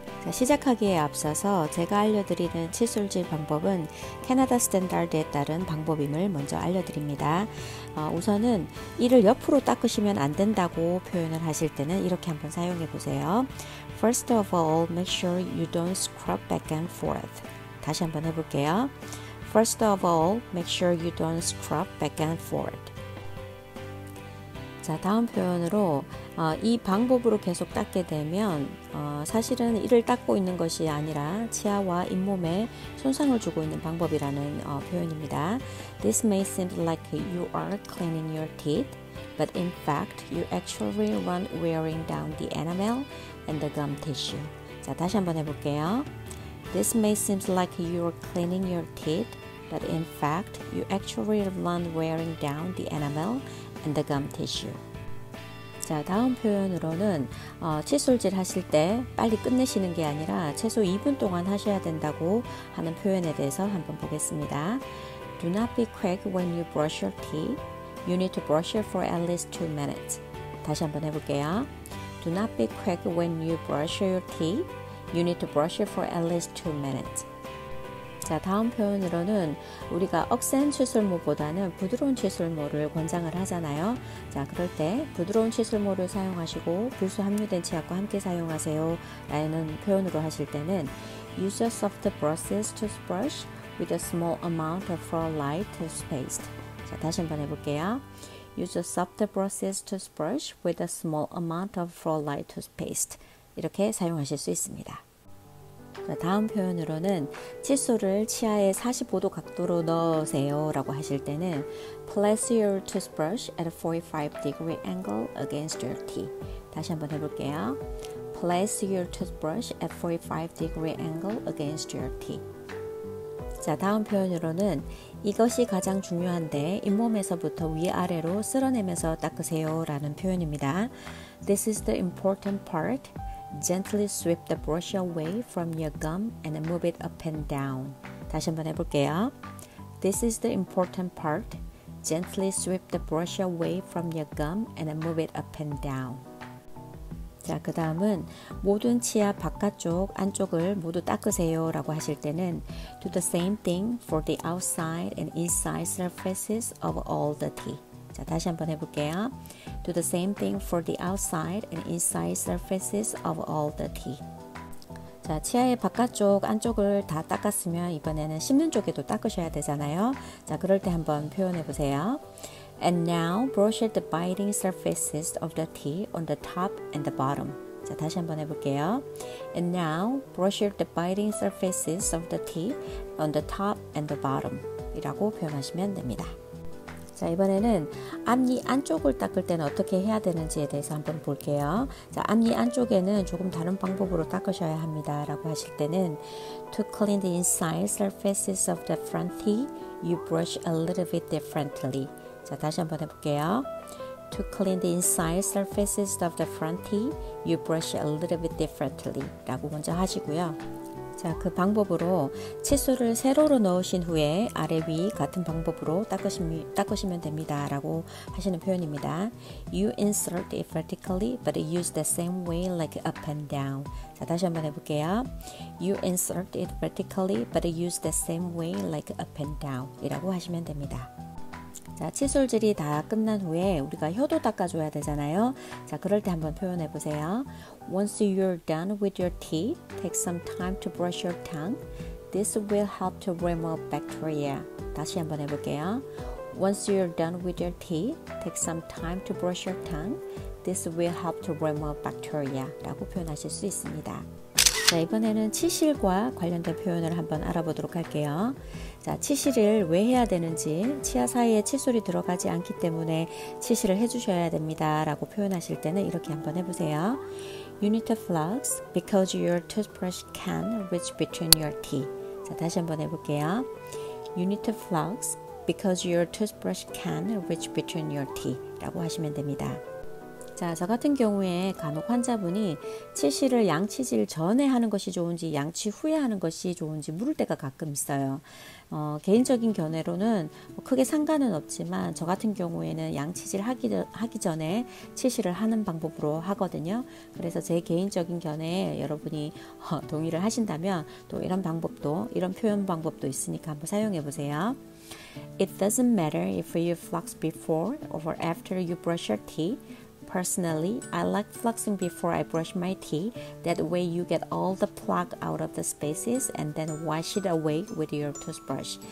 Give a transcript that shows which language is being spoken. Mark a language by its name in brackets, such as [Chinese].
[Korean] 시작하기에 앞서서 제가 알려드리는 칫솔질 방법은 캐나다 스탠다드에 따른 방법임을 먼저 알려드립니다. 우선은 이를 옆으로 닦으시면 안 된다고 표현을 하실 때는 이렇게 한번 사용해 보세요. [English] First of all, make sure you don't scrub back and forth. [Korean] 다시 한번 해볼게요. [English] First of all, make sure you don't scrub back and forth. [Korean] 자, 다음 표현으로 이 방법으로 계속 닦게 되면 사실은 이를 닦고 있는 것이 아니라 치아와 잇몸에 손상을 주고 있는 방법이라는 표현입니다. [English] This may seem like you are cleaning your teeth, but in fact, you actually run wearing down the enamel and the gum tissue. [Korean] 자, 다시 한번 해볼게요. [English] This may seem like you are cleaning your teeth, but in fact, you actually run wearing down the enamel and the gum tissue. [Korean] 자, 다음 표현으로는 칫솔질 하실 때 빨리 끝내시는 게 아니라 최소 2분 동안 하셔야 된다고 하는 표현에 대해서 한번 보겠습니다. [English] Do not be quick when you brush your teeth. You need to brush it for at least 2 minutes. [Korean] 다시 한번 해볼게요. [English] Do not be quick when you brush your teeth. You need to brush it for at least 2 minutes. [Korean] 자, 다음 표현으로는 우리가 억센 칫솔모보다는 부드러운 칫솔모를 권장을 하잖아요. 자, 그럴 때 부드러운 칫솔모를 사용하시고 불소 함유된 치약과 함께 사용하세요 라는 표현으로 하실 때는 [English] Use a soft brushes toothbrush with a small amount of light toothpaste. [Korean] 자, 다시 한번 해볼게요. [English] Use a soft brushes toothbrush with a small amount of light toothpaste. [Korean] 이렇게 사용하실 수 있습니다. 다음 표현으로는 칫솔을 치아에 45도 각도로 넣으세요 라고 하실 때는 [English] Place your toothbrush at a 45-degree angle against your teeth. [Korean] 다시 한번 해볼게요. [English] Place your toothbrush at a 45-degree angle against your teeth. [Korean] 자, 다음 표현으로는 이것이 가장 중요한데 잇몸에서부터 위아래로 쓸어내면서 닦으세요 라는 표현입니다. [English] This is the important part. Gently sweep the brush away from your gum and move it up and down. [Korean] 다시 한번 해볼게요. [English] This is the important part. Gently sweep the brush away from your gum and move it up and down. [Korean] 자, 그 다음은 모든 치아 바깥쪽, 안쪽을 모두 닦으세요 라고 하실 때는 [English] Do the same thing for the outside and inside surfaces of all the teeth. [Korean] 자, 다시 한번 해볼게요. [English] Do the same thing for the outside and inside surfaces of all the teeth. [Korean] 자, 치아의 바깥쪽, 안쪽을 다 닦았으면 이번에는 씹는 쪽에도 닦으셔야 되잖아요. 자, 그럴 때 한번 표현해 보세요. [English] And now brush the biting surfaces of the teeth on the top and the bottom. [Korean] 자, 다시 한번 해볼게요. [English] And now brush the biting surfaces of the teeth on the top and the bottom. [Korean] 이라고 표현하시면 됩니다. 자, 이번에는 앞니 안쪽을 닦을 때는 어떻게 해야 되는지에 대해서 한번 볼게요. 자, 앞니 안쪽에는 조금 다른 방법으로 닦으셔야 합니다. 라고 하실 때는 [English] To clean the inside surfaces of the front teeth, you brush a little bit differently. [Korean] 자, 다시 한번 해볼게요. [English] To clean the inside surfaces of the front teeth, you brush a little bit differently. [Korean] 라고 먼저 하시고요. 자, 그 방법으로 칫솔을 세로로 넣으신 후에 아래 위 같은 방법으로 닦으시면 됩니다 라고 하시는 표현입니다. [English] You insert it vertically but use the same way like up and down. [Korean] 자, 다시 한번 해볼게요. [English] You insert it vertically but use the same way like up and down [Korean] 이라고 하시면 됩니다. 자, 칫솔질이 다 끝난 후에 우리가 혀도 닦아줘야 되잖아요. 자, 그럴 때 한번 표현해 보세요. [English] Once you're done with your teeth, take some time to brush your tongue. This will help to remove bacteria. [Korean] 다시 한번 해볼게요. [English] Once you're done with your teeth, take some time to brush your tongue. This will help to remove bacteria. [Korean] 라고 표현하실 수 있습니다. 자, 이번에는 치실과 관련된 표현을 한번 알아보도록 할게요. 자, 치실을 왜 해야 되는지, 치아 사이에 칫솔이 들어가지 않기 때문에 치실을 해주셔야 됩니다. 라고 표현하실 때는 이렇게 한번 해보세요. [English] You need to floss because your toothbrush can reach between your teeth. [Korean] 자, 다시 한번 해볼게요. [English] You need to floss because your toothbrush can reach between your teeth. [Korean] 라고 하시면 됩니다. 자, 저 같은 경우에 간혹 환자분이 치실을 양치질 전에 하는 것이 좋은지 양치 후에 하는 것이 좋은지 물을 때가 가끔 있어요. 개인적인 견해로는 뭐 크게 상관은 없지만 저 같은 경우에는 양치질 하기 전에 치실을 하는 방법으로 하거든요. 그래서 제 개인적인 견해에 여러분이 동의를 하신다면 또 이런 방법도, 이런 표현 방법도 있으니까 한번 사용해 보세요. [English] It doesn't matter if you floss before or after you brush your teeth. Personally, I like flossing before I brush my teeth. That way you get all the plaque out of the spaces and then wash it away with your toothbrush.